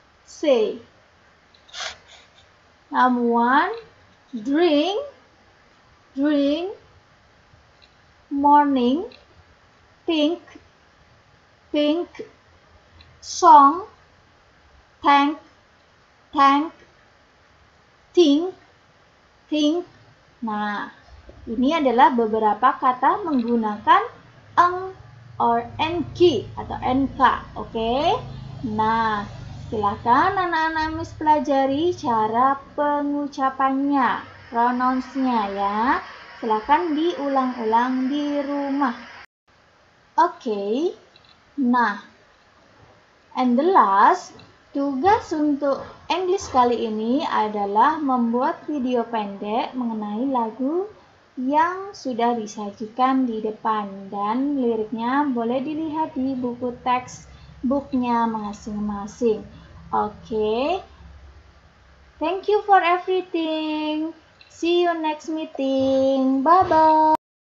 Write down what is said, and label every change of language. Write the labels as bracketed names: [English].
[English] Say number one, drink, morning, think, song, thank, think. [Indonesian] Nah, ini adalah beberapa kata menggunakan ang or nk atau nk, oke? Nah, silakan anak-anak Miss pelajari cara pengucapannya, pronounce-nya ya. Silakan diulang-ulang di rumah. Oke. Nah, [English] and the last, [Indonesian] tugas untuk English kali ini adalah membuat video pendek mengenai lagu yang sudah disajikan di depan dan liriknya boleh dilihat di buku teks booknya masing-masing. [English] Okay. Thank you for everything. See you next meeting. Bye-bye.